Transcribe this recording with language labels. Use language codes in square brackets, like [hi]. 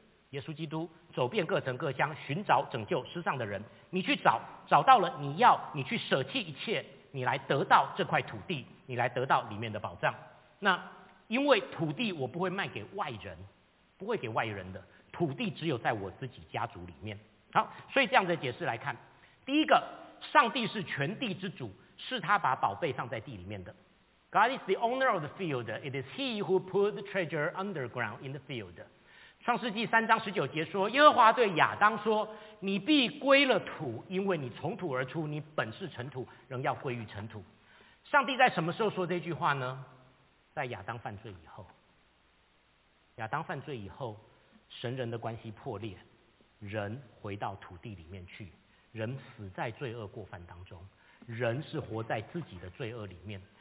[zh] 耶稣基督走遍各城各乡寻找拯救失丧的人，你去找，找到了，你要你去舍弃一切，你来得到这块土地，你来得到里面的宝藏。那因为土地我不会卖给外人，不会给外人的，土地只有在我自己家族里面。好，所以这样的解释来看，第一个，上帝是全地之主，是他把宝贝放在地里面的。 [en] God is the owner of the field, it is he who put the treasure underground in the field。 [zh] 创世纪三章十九节说，耶和华对亚当说，你必归了土，因为你从土而出，你本是尘土，仍要归于尘土。上帝在什么时候说这句话呢？在亚当犯罪以后。亚当犯罪以后，神人的关系破裂，人回到土地里面去，人死在罪恶过犯当中，人是活在自己的罪恶里面。